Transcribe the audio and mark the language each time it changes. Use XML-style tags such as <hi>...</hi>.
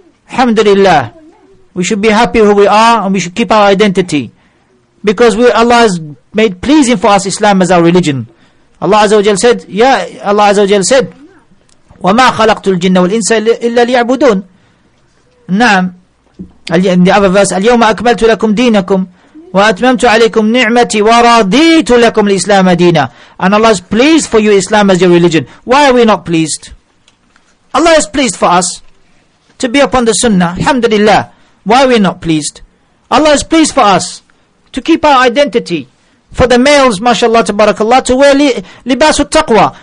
<en>Alhamdulillah, we should be happy who we are, and we should keep our identity. Because Allah has made pleasing for us Islam as our religion. Allah Azza wa Jal said, Allah Azza wa Jal said,</en> <ar>وَمَا خَلَقْتُ الْجِنَّ وَالْإِنسَ إِلَّا لِيَعْبُدُونَ. نعم.</ar> <en>In the other verse,</en> <ar>الْيَوْمَ أَكْمَلْتُ لَكُمْ دِينَكُمْ وَأَتْمَمْتُ عَلَيْكُمْ نِعْمَتِي وَرَضِيتُ لَكُمْ الْإِسْلَامَ دِينَ.</ar> <en>And Allah is pleased for you, Islam, as your religion. Why are we not pleased? Allah is pleased for us to be upon the sunnah. Alhamdulillah. Why are we not pleased? Allah is pleased for us to keep our identity. For the males, mashallah, tabarakallah, to wear libasu taqwa.</en>